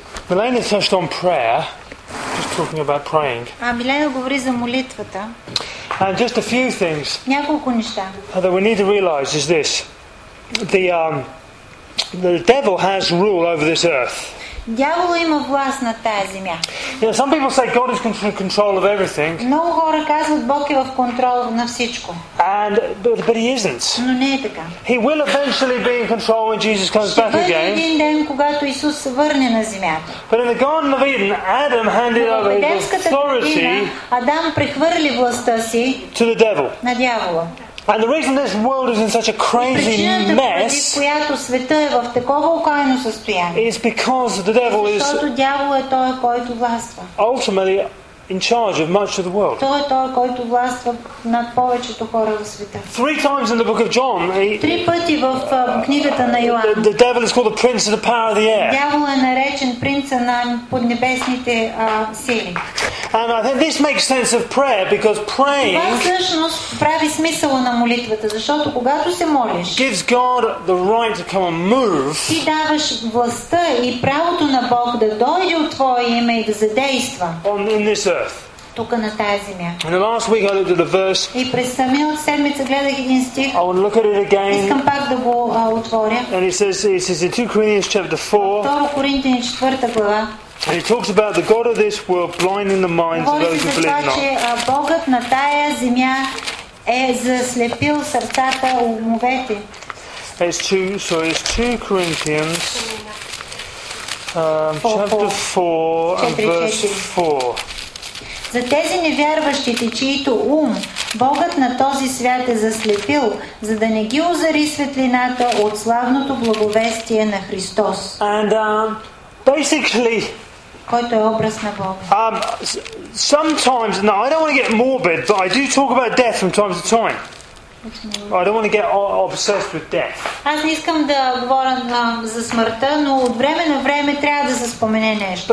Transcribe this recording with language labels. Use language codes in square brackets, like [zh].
[en] Milena touched on prayer, just talking about praying. [bg] Милена говори за молитвата. [en] And just a few things. [bg] Няколко неща. [en] That we need to realize is this. The devil has rule over this earth. [bg] Дяволът има власт на тая земя. [en] Yeah, some people say God is in control of everything. [bg] Много хора казват, Бог е в контрол на всичко. [en] And but he isn't. [bg] Но не е така. [en] He will eventually be in control when Jesus comes [bg] ще [en] back again. [bg] Един ден, когато Исус се върне на земята. [en] But in the Garden of Eden, Adam handed over his authority. [bg] Адам прехвърли властта си. [en] To the devil. [bg] На дявола. [en] And the reason this world is in such a crazy mess, [bg] която света е в такова окаяно състояние, [en] is because the devil is, [bg] защото дяволът е той, който властва. [en] Ultimately, in charge of much of the world. [bg] Той е той, който властва над повечето хора в света. [en] Three times in the book of John, [bg] три пъти в книгата на Йоан, [en] the devil is called the prince of the power of the air. [bg] Дяволът е наречен принца на поднебесните сили. [en] And I think this makes sense of prayer because praying. [bg] Това всъщност прави смисъла на молитвата, защото когато се молиш, [en] gives God the right to come and move. [bg] Ти даваш властта и правото на Бог да дойде от твое име и да задейства. [en] In this earth. [bg] Тук на тая земя. [en] And last week I looked at a verse. [bg] И през самия от седмица гледах един стих. [en] I want to look at it again. [bg] Искам пак да го отворя. [en] And it says in 2 Corinthians chapter 4. [bg] Второ Коринтяни 4 глава. [en] And he talks about the God of this world blinding the minds of those who believe not. [bg] Богът на тая земя е заслепил сърцата умовете. [en] It's 2 Corinthians chapter 4 verse 4. [bg] За тези невярващите, чието ум Богът на този свят е заслепил, за да не ги озари светлината от славното благовестие на Христос. [en] And basically, [bg] който е образ на Бога. [en] Sometimes, no, I don't want to get morbid, but I do talk about death from time to time. I don't want to get obsessed with death. [bg] Аз не искам да говоря за смъртта, но от време на време трябва да се спомене нещо.